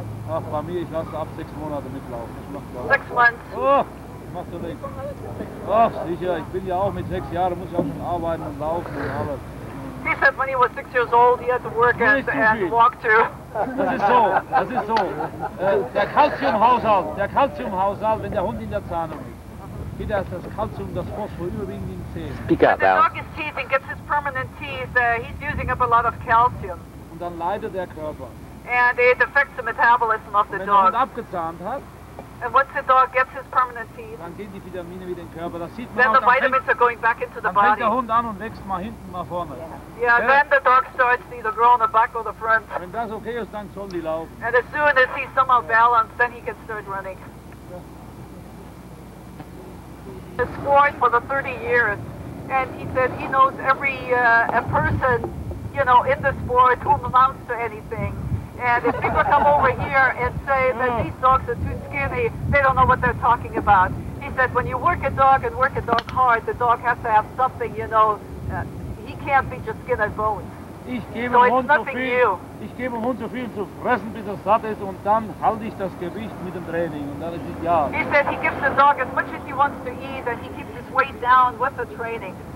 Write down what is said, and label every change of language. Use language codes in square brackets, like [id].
[de] Ach, bei mir, ich lasse ab 6 Monate mitlaufen. [en] 6 months. [de] Oh. mach doch nichts. Ach, sicher, ich bin ja auch mit 6 Jahren, muss ich auch schon arbeiten und laufen und alles. [en] He said when he was 6 years old, he had to work and walk too. [de] Das ist so, das ist so. Der Kalziumhaushalt, wenn der Hund in der Zahnung ist, geht erst das Kalzium, das Phosphor überwiegend in den Zähnen. [en] Speak up, Al. When the dog is teething, gets his permanent teeth, he's using up a lot of calcium. [de] Und dann leidet der Körper. [en] And it affects the metabolism of the [de] wenn [en] dog. [de] Wenn der Hund abgezahnt hat, [en] and once the dog gets his permanent teeth, [de] dann gehen die Vitamine wieder in den Körper. Das sieht man auch. [en] Then the vitamins are going back into the [de] dann [en] body. [de] Dann fängt der Hund an und wächst mal hinten, mal vorne. [en] Yeah, yeah, yeah. Then the dog starts to either grow on the back or the front. [de] Wenn das okay ist, dann sollen die laufen. [en] And as soon as he's somehow balanced, then he can start running. He has squatted for the 30 years, and he said he knows every a person, you know, in the sport who amounts to anything. And if people come over here and say that these dogs are too skinny, they don't know what they're talking about. He said when you work a dog and work a dog hard, the dog has to have something, you know, he can't be just skin and bones. [de] Ich gebe dem Hund so viel zu fressen, bis er satt ist, und dann halte ich das Gewicht mit dem Training. Und dann ist es ja. [en] He said he gives the dog as much as he wants to eat, and he keeps his weight down with the training.